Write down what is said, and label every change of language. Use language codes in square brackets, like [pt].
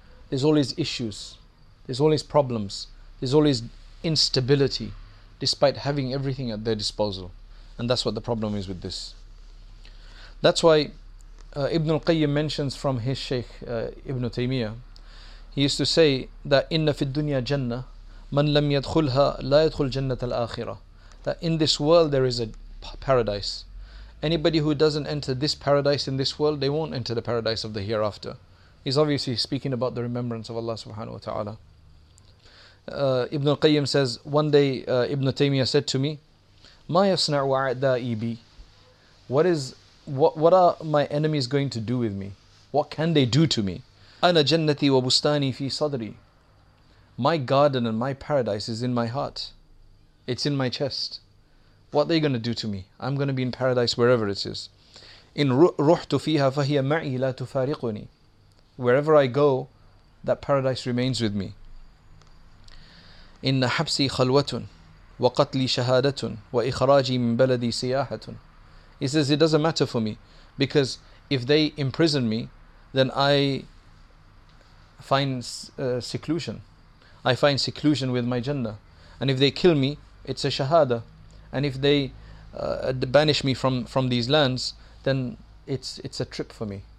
[en] There's always issues. There's always problems. There's always instability, despite having everything at their disposal. And that's what the problem is with this. That's why Ibn al-Qayyim mentions from his Shaykh Ibn Taymiyyah, he used to say that, [ar] إِنَّ فِي الدُّنْيَا جَنَّةً من لم يدخلها لا يدخل جنة الآخرة. [en] That in this world there is a paradise. Anybody who doesn't enter this paradise in this world, they won't enter the paradise of the hereafter. He's obviously speaking about the remembrance of Allah subhanahu wa ta'ala. Ibn al-Qayyim says, one day Ibn Taymiyyah said to me, [ar] ما يصنع أعدائي بي. [en] What are my enemies going to do with me? What can they do to me? [ar] أنا جنتي وبستاني في صدري. [en] My garden and my paradise is in my heart. It's in my chest. What are they going to do to me? I'm going to be in paradise wherever it is. [ar] إن رحت فيها فهي معي لا تفارقني. [en] Wherever I go, that paradise remains with me. [ar] إن حبسي خلوة وقتلي شهادة وإخراجي من بلدي سياحة. [en] He says it doesn't matter for me, because if they imprison me, then I find seclusion. I find seclusion with my Jannah. And if they kill me, it's a shahada. And if they banish me from these lands, then it's a trip for me.